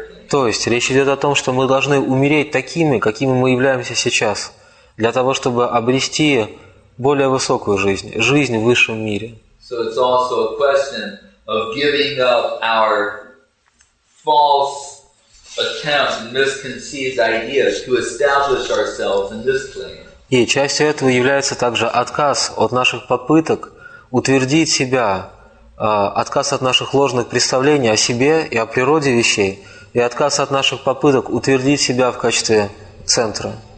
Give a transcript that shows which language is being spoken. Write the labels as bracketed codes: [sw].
[ru] То есть речь идет о том, что мы должны умереть такими, какими мы являемся сейчас, для того, чтобы обрести более высокую жизнь, жизнь в высшем мире. [en] So it's also a question of giving up our false attempts and misconceived ideas to establish ourselves in this plane. [ru] И частью этого является также отказ от наших попыток утвердить себя, отказ от наших ложных представлений о себе и о природе вещей, и отказ от наших попыток утвердить себя в качестве центра.